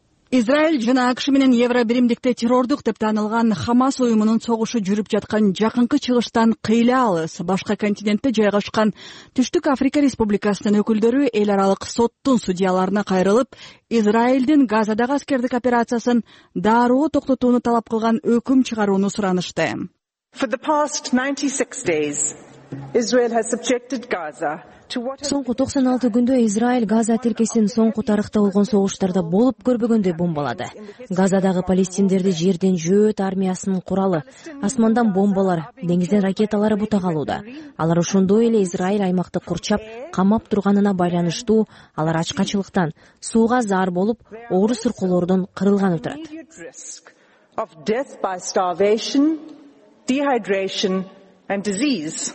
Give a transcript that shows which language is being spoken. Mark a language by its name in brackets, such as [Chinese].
[Kyrgyz] Израиль жана АКШ менен Евробиримдикте террордук деп таанылган Хамас уюмунун согушу жүрүп жаткан жакынкы чыгыштан кыйла алыс башка континентте жайгашкан Түштүк Африка Республикасынын өкүлдөрү эл аралык соттун судьяларына кайрылып, Израилдин Газадагы аскердик операциясын дароо токтотууну талап кылган өкүм чыгарууну суранышты. [English] For the past 96 days, Israel has subjected Gaza. [Kyrgyz] Соңку 96 күндө Израиль Газа тилкесин соңку тарыхта болгон согуштарда болуп көрбөгөндөй бомбалады. Газадагы палестиндерди жерден жөөт армиясынын куралы, асмандан бомбалар, деңизден ракеталары бутагалууда. Алар ошондой эле Израиль аймакты курчап, камап турганына байланыштуу, алар ачкачылыктан, сууга зар болуп, оору сыркоолордон кырылган отурат.